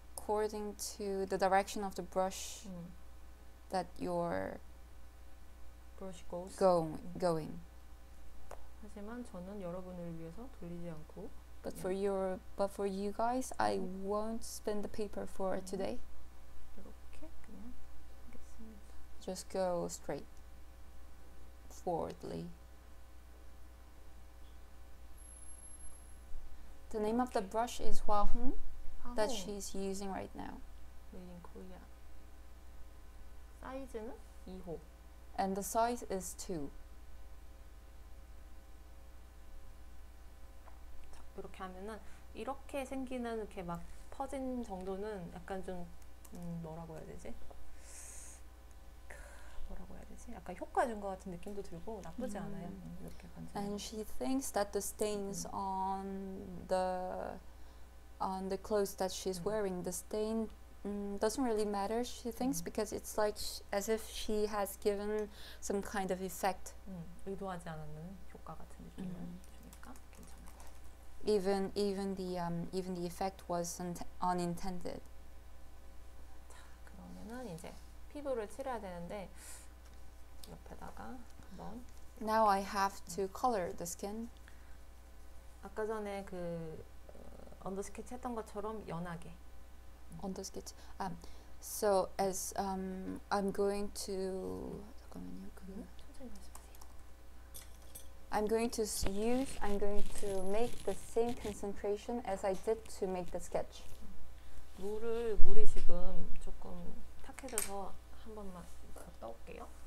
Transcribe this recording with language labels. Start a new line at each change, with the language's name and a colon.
English: According to the direction of the brush that your brush goes going.
Korean: 하지만 저는 여러분을 위해서 돌리지 않고.
English: But for you guys, I won't spin the paper for today.
Korean: 이렇게 그냥 하겠습니다.
English: Just go straight forwardly. The name of the brush is Hua Hong that she's using right now. Made in Korea. Size는 2호. And the size is 2.
Korean: 자, 이렇게 하면은 이렇게 생기는 이렇게 막 퍼진 정도는 약간 좀 뭐라고 해야 되지? 약간 효과 준 것 같은 느낌도 들고 나쁘지 않아요. 이렇게 간지.
English: And she thinks that the stains on the clothes that she's wearing, the stain doesn't really matter. She thinks because it's like as if she has given some kind of effect.
Korean: 의도하지 않았는 효과 같은 느낌을 주니까 괜찮아.
English: Even the effect wasn't unintended.
Korean: 자, 그러면은 이제 피부를 칠해야 되는데. 옆에다가 한번
English: Now I have to color the skin.
Korean: 아까 전에 그 언더 스케치 했던 것처럼 연하게.
English: 언더 스케치. So as I'm going to
Korean: 잠깐만요.
English: 그 I'm going to make the same concentration as I did to make the sketch.
Korean: 물이 지금 조금 탁해져서 한 번만 떠올게요.